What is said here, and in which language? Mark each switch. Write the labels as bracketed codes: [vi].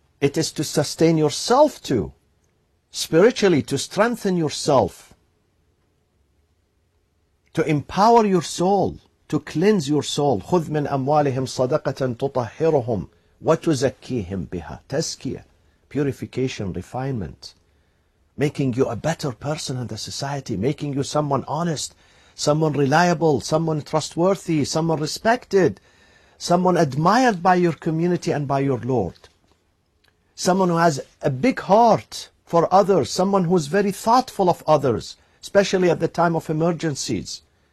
[en] It is to sustain yourself too, spiritually, to strengthen yourself, to empower your soul, to cleanse your soul. [ar] خذ من أموالهم صدقة تطهرهم وتزكيهم بها. [en] تزكيه, purification, refinement, making you a better person in the society, making you someone honest, someone reliable, someone trustworthy, someone respected, someone admired by your community and by your Lord, someone who has a big heart for others, someone who is very thoughtful of others, especially at the time of emergencies.